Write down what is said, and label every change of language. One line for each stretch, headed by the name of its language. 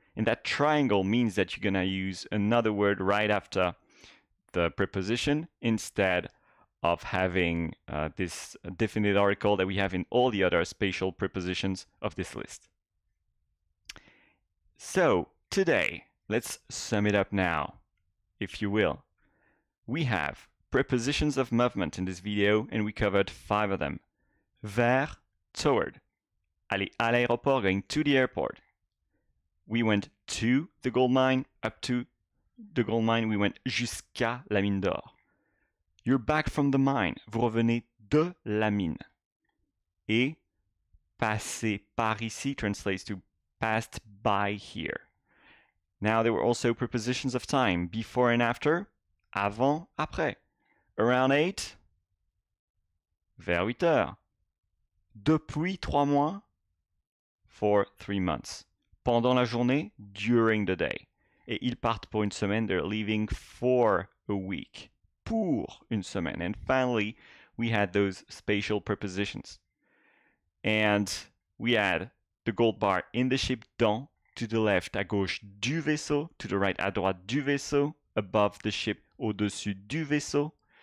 English: And that triangle means that you're going to use another word right after the preposition instead of having this definite article that we have in all the other spatial prepositions of this list. So today, let's sum it up now, if you will. We have prepositions of movement in this video, and we covered five of them.
French: Vers,
English: toward.
French: Aller à l'aéroport,
English: going to the airport. We went to the gold mine, up to the gold mine, we went
French: jusqu'à la mine d'or.
English: You're back from the mine,
French: vous revenez de la mine. Et passer par ici
English: translates to passed by here. Now there were also prepositions of time, before and after,
French: avant, après.
English: Around 8,
French: vers 8 heures. Depuis 3 mois,
English: for 3 months.
French: Pendant la journée,
English: during the day.
French: Et ils partent pour une semaine,
English: they're leaving for a week.
French: Pour une semaine.
English: And finally, we had those spatial prepositions. And we had the gold bar in the ship,
French: dans,
English: to the left,
French: à gauche du vaisseau,
English: to the right,
French: à droite du vaisseau,
English: above the ship,
French: au-dessus du vaisseau.